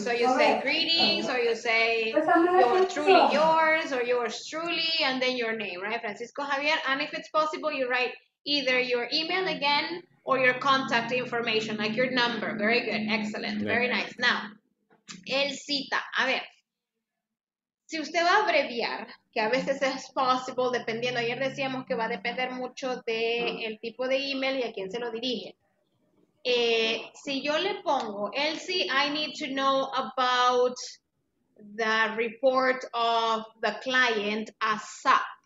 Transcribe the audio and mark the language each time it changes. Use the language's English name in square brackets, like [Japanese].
[English] So you say greetings, or you say you're truly yours, or yours truly, and then your name, right? Francisco Javier. And if it's possible, you write either your email again or your contact information, like your number. Very good. Excellent. Yeah. Very nice. Now, el cita. [Spanish] A ver. Si usted va a abreviar, que a veces es possible, dependiendo, ayer decíamos que va a depender mucho del tipo de email y a quién se lo dirige. Si yo le pongo, [English] Elsie, I need to know about the report of the client ASAP.